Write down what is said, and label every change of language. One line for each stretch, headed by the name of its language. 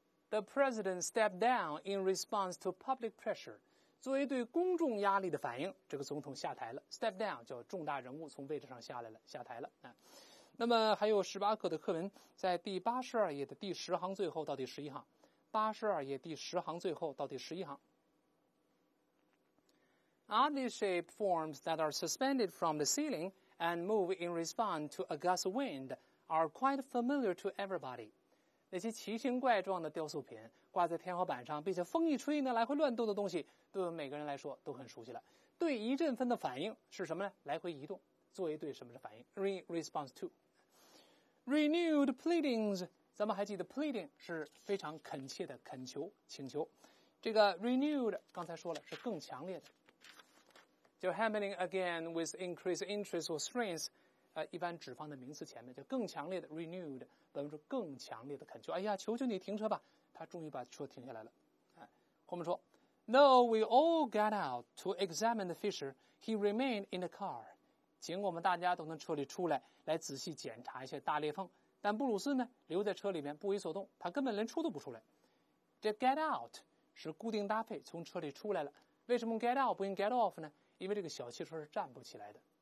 English: The president stepped down in response to public pressure，
Chinese: 作为对公众压力的反应，这个总统下台了。
English: Step down
Chinese: 叫重大人物从位置上下来了，下台了、啊、那么还有18课的课文，在第82页的第10行最后到第11行，82页第10行最后到第11行。
English: Oddly shaped forms that are suspended from the ceiling and move in response to a gust of wind are quite familiar to everybody。
Chinese: 那些奇形怪状的雕塑品挂在天花板上，并且风一吹呢来回乱动的东西，对每个人来说都很熟悉了。对一阵风的反应是什么呢？来回移动，作为对什么的反应 ？
English: Response to renewed pleadings，
Chinese: 咱们还记得 pleading 是非常恳切的恳求、请求。这个 renewed 刚才说了是更强烈的。
English: 就 happening again with increased interest or strength。
Chinese: 一般指方的名词前面就更强烈的 renewed， 等于说更强烈的恳求，哎呀求求你停车吧，他终于把车停下来了。后面说
English: Though we all got out to examine the fissure, he remained in the car。
Chinese: 尽管我们大家都能车里出来来仔细检查一下大裂缝，但布鲁斯呢留在车里面不为所动，他根本连出都不出来。这
English: get out
Chinese: 是固定搭配，从车里出来了。为什么 get out 不用
English: get off
Chinese: 呢？因为这个小汽车是站不起来的。